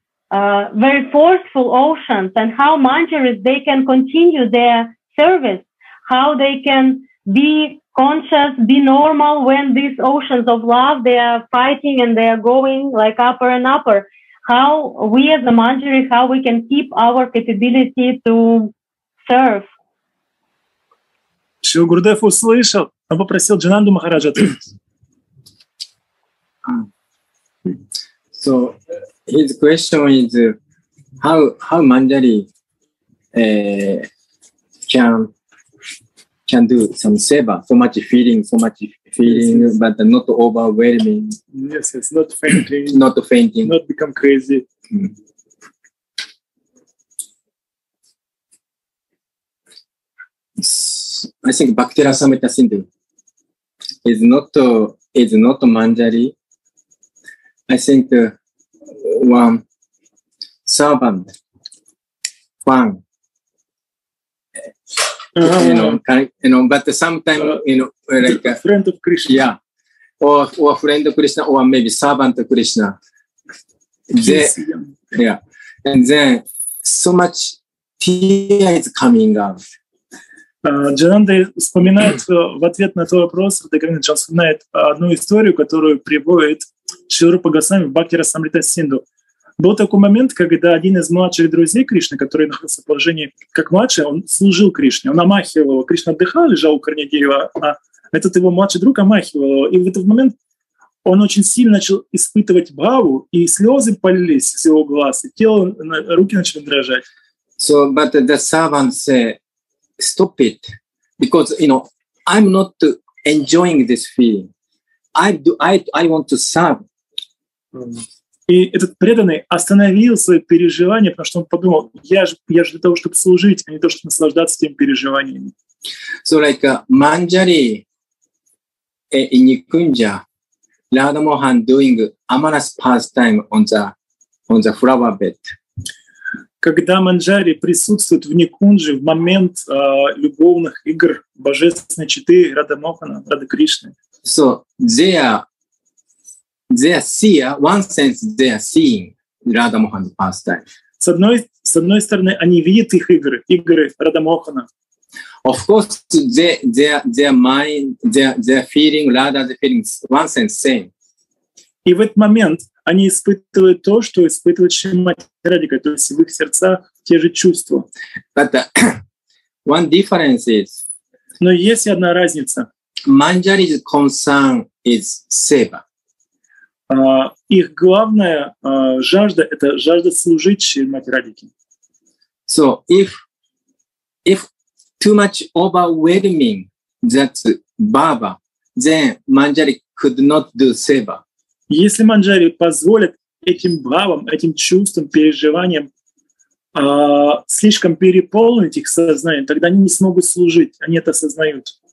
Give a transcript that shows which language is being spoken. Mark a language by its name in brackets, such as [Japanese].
[English] are very forceful oceans, and how Manjaris, they can continue their service, how they can be conscious, be normal when these oceans of love, they are fighting and they are going like upper and upper. How we as a Manjari, how we can keep our capability to serve. [Russian] Шрила Гурудев услышал, он попросил Джинанду Махараджа ответить. [English] So his question is how Manjari can do some seva, so much feeling, but not overwhelming. Yes, it's not fainting. Not become crazy. I think Bhakti Rasamrita Sindhu is not Manjari. I think one servant, but sometimes friend of Krishna, or friend of Krishna, or maybe servant of Krishna. And then so much tear is coming out. [Russian] Джананда вспоминает в ответ на твой вопрос, Радхагавинда, вспоминает одну историю, которую приводит Шрила Рупа Госвами в Бхакти Расамрита Синду. Был такой момент, когда один из младших друзей Кришны, который находился в положении как младший, он служил Кришне, он омахивал его. Кришна отдыхал, лежал у корня дерева, а этот его младший друг омахивал его. И в этот момент он очень сильно начал испытывать бхаву, и слезы полились из его глаз, и тело, руки начали дрожать. [English] So, but the servant said, stop it, because I'm not enjoying this feeling. I want to serve. [Russian] И этот преданный остановил свои переживания, потому что он подумал, я же для того, чтобы служить, а не то, чтобы наслаждаться этими переживаниями. [English] So like Manjari in Nikunja, Radha Mohan doing amorous pastime on the flower bed. [Russian] Когда Манджари присутствует в Никунже в момент любовных игр божественной четы Радха Мохана, Радха Кришны. [English] So they are seeing Radha Mohan's pastime. [Russian] С одной стороны, они видят их игры Радха Мохана. [English] Of course, their feeling, Radha's feelings, one sense same. [Russian] И в этот момент они испытывают то, что испытывает Шримати Радика, то есть в их сердцах те же чувства. [English] But one difference is. [Russian] Но есть одна разница. [English] Manjari's concern is seva. [Russian] Их главная жажда — это жажда служить Шримати Радике. [English] So if too much overwhelming that bhava, then Manjari could not do seva. [Russian] Если Манджари позволит этим бхавам, этим чувствам, переживаниям слишком переполнить их сознание, тогда они не смогут служить, они это осознают.